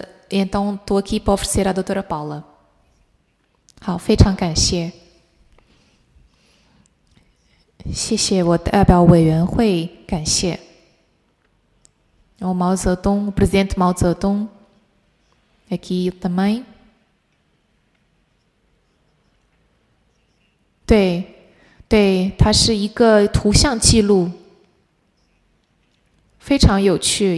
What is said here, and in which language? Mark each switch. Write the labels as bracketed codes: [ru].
[pt] Então, estou aqui para oferecer à doutora Paula. [zh] 好，非常感谢。谢谢，我代表委员会感谢。 [pt] O Mao Zedong, o presidente Mao Zedong, aqui também. Sim, sim, ele é uma imagem de registro. Muito interessante.